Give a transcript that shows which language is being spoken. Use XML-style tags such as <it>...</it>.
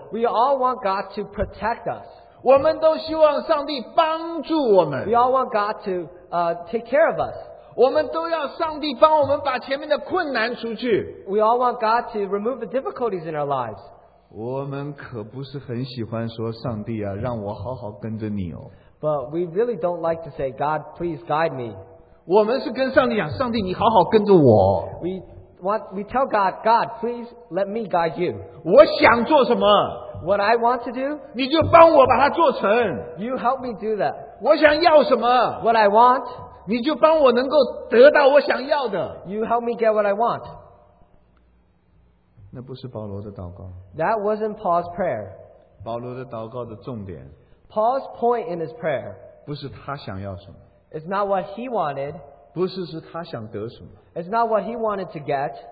<en>We all want God to protect us.</en> <zh>我们都希望上帝帮助我们。</zh> <en>We all want God to take care of us.</en> <zh>我们都要上帝帮我们把前面的困难除去。</zh> <en>We all want God to remove the difficulties in our lives.</en> <zh>我们可不是很喜欢说上帝啊，让我好好跟着你哦。</zh> <en>But we really don't like to say, God, please guide me.</en> <zh>我们是跟上帝讲，上帝你好好跟着我。</zh> <en>We tell God, God, please let me guide you.</en> <zh>我想做什么？</zh> <en>What I want to do,</en> <zh>你就帮我把它做成。</zh> <en>You help me do that.</en> <zh>我想要什么？</zh> <en>What I want,</en> <zh>你就帮我能够得到我想要的。</zh> <en>You help me get what I want.</en> <zh>那不是保罗的祷告。</zh> <en>That wasn't Paul's prayer.</en> <zh>保罗的祷告的重点。</zh> <en>Paul's point in his prayer,</en> <zh>不是他想要什么。</zh> <en>It's not what he wanted.</en> <zh>不是是他想得什么。</zh> <en>It's not what he wanted to get.</en>